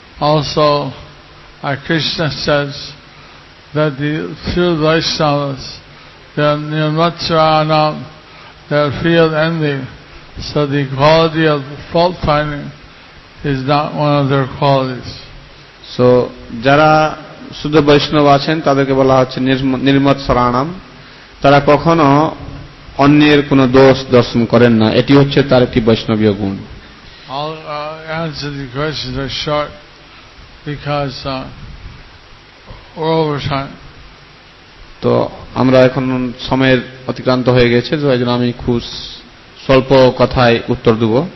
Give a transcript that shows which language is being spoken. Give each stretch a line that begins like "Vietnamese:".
English: Also, Krishna says that the pure Vaishnavas, they are nirmatsaranam, they are free of envy, so the quality of fault finding is not one of their qualities.
Bangla: So, যারা শুদ্ধ বৈষ্ণব আছেন তাদেরকে বলা হচ্ছে নির্মৎসরাণাম, তারা কখনো অন্যের কোন দোষ দর্শন করেন না, এটি হচ্ছে তার একটি বৈষ্ণবীয় গুণ।
English: I'll answer the questions are short. Because we're over time.
Bangla: তো আমরা এখন সময়ের অতিক্রান্ত হয়ে গেছে, তো এই জন্য আমি খুব স্বল্প কথায় উত্তর দেব।